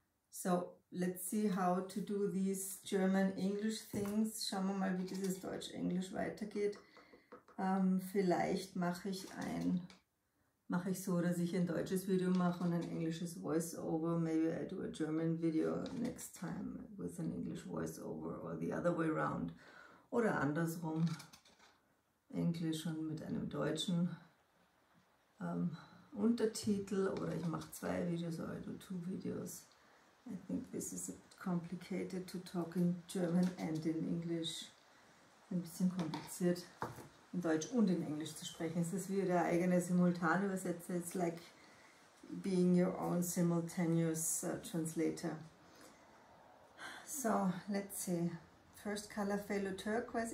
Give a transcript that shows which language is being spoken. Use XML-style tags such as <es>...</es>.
<en>So, let's see how to do these German-English things.</en> <de>Schauen wir mal, wie dieses Deutsch-Englisch weitergeht. Vielleicht mache ich so, dass ich ein deutsches Video mache und ein englisches Voice-Over.</de> <en>Maybe I do a German video next time with an English Voice-Over or the other way around.</en> <de>Oder andersrum, Englisch und mit einem deutschen Untertitel, oder ich mache zwei Videos, oder ich</de> <en>do two videos. I think this is a bit complicated to talk in German and in English.</en> <de>Ein bisschen kompliziert, in Deutsch und in Englisch zu sprechen. Es ist wie der eigene Simultanübersetzer.</de> <en>It's like being your own simultaneous translator. So, let's see. First color, Phthalo Turquoise.</en>